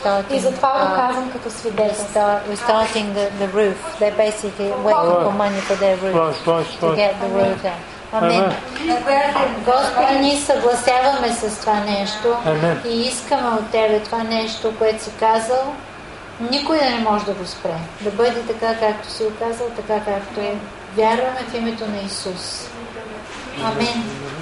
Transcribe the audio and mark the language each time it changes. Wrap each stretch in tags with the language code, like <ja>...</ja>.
<bg>И затова го казвам като свидетелство.</bg> <en>We're starting the roof. They're basically waiting for money for their roof. To get the roof done. Амин.</en> <bg>Господи, ние съгласяваме с това нещо и искаме от Тебе това нещо, което си казал, никой не може да го спре. Да бъде така, както си го казал, така, както е. Вярваме в името на Исус. Амин.</bg>